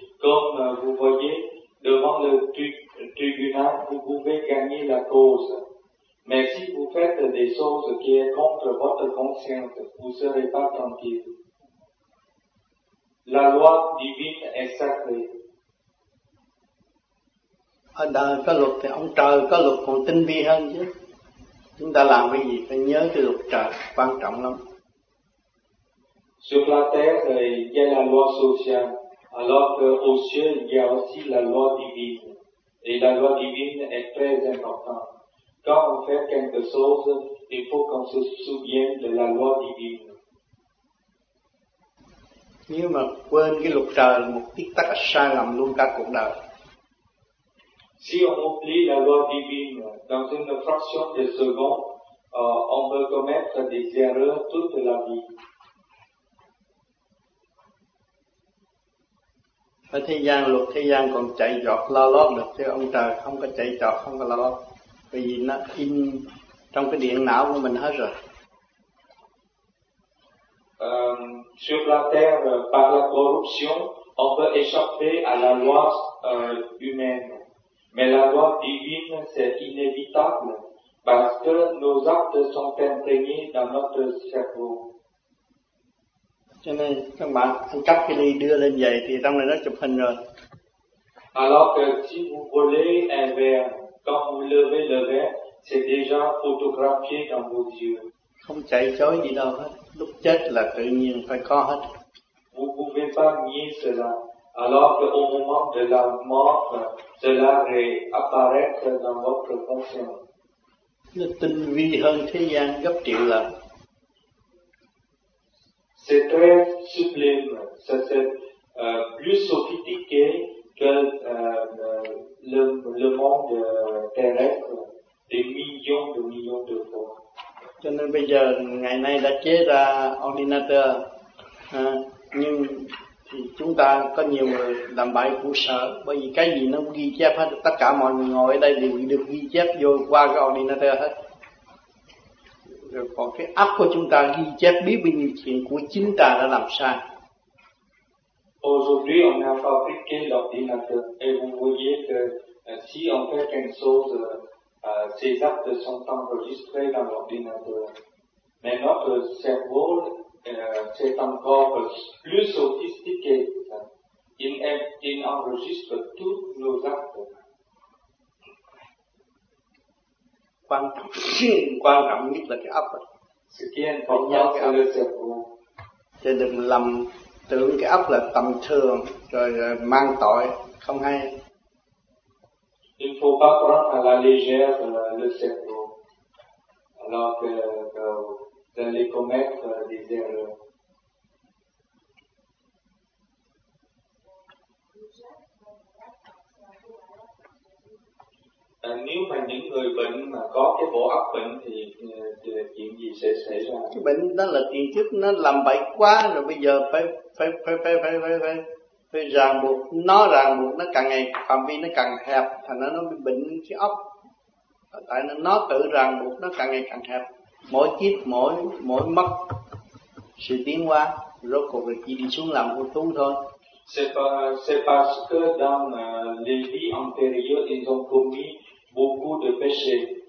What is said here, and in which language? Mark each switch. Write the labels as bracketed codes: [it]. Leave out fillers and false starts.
[fr] Comme vous voyez, devant le tribunal, vous pouvez gagner la cause. Mais si vous faites des choses qui sont contre votre conscience, vous ne serez pas tranquille. La loi divine est sacrée. [vi] Ở đời có luật thì ông trời có luật còn tinh vi hơn chứ. Chúng ta làm cái gì phải nhớ cái luật trời, quan trọng lắm. [fr] Sur la terre, il y a la loi sociale. Alors qu'au ciel, il y a aussi la loi divine. Et la loi divine est très importante. Quand on fait quelque chose, il faut qu'on se souvienne de la loi divine. [vi] Nếu mà quên cái luật trời, một tích tắc sai lầm luôn cả cuộc đời. [fr] Si on oublie la loi divine dans une fraction de seconde, on peut commettre des erreurs toute la vie. [vi] Ở thế gian, luật thế gian còn chạy giọt lo lót được, chứ ông trời không có chạy giọt, không có lo lót. Bởi vì nó in trong cái điện não của mình hết rồi. [fr] Sur la terre, par la corruption, on peut échapper à la loi humaine. Mais la loi divine, c'est inévitable, parce que nos actes sont imprégnés dans notre cerveau. [vi] Cho nên các bạn ăn cắp cái ly đưa lên vậy thì trong này nó chụp hình rồi. [fr] Alors que si vous volez un verre, quand vous levez le verre, c'est déjà photographié dans vos yeux. [vi] Không chạy chối gì đâu hết. Lúc chết là tự nhiên phải có hết. [fr] Vous pouvez pas nier cela. Alors que au moment de la mort, cela réapparaît dans votre conscience. [vi] Nó tinh vi hơn thế gian gấp triệu lần. [fr] C'est très sublime, c'est plus sophistiqué que le monde terrestre, des millions de millions de fois. [vi] Cho nên bây giờ ngày nay đã chế ra ordinateur, nhưng thì chúng ta có nhiều người làm bậy khổ sở, bởi vì cái gì nó cũng ghi chép hết, tất cả mọi người ngồi ở đây đều được ghi chép vô qua cái ordinateur hết. Rồi còn cái óc của chúng ta ghi chép biết bao nhiêu chuyện của chính ta đã làm sai. [fr] Aujourd'hui on a fabriqué l'ordinateur et vous voyez que si on fait quelque chose, ces actes sont enregistrés dans l'ordinateur. Mais notre cerveau, c'est encore plus sophistiqué. Il enregistre tous nos actes. [vi] Quan trọng nhất là cái óc. Sự kiện phóng nhau cái óc. Thì đừng lầm tưởng cái óc là tầm thường rồi mang tội, không hay. [fr] Il faut pas prendre à la légère le cerveau. Alors que vous allez commettre des erreurs. [vi] Nếu mà những người bệnh mà có cái bộ óc bệnh thì chuyện gì sẽ xảy ra? Cái bệnh đó là tiền kiếp nó làm bậy quá rồi bây giờ phải ràng buộc nó, ràng buộc nó càng ngày phạm vi nó càng hẹp, thành ra nó bị bệnh cái óc. Tại nó tự ràng buộc nó càng ngày càng hẹp, mỗi kiếp mỗi mất sự tiến hóa, rốt cuộc là chỉ đi xuống làm vô tu thôi. [fr] C'est parce que dans les vies antérieures, ils ont commis beaucoup de péchés.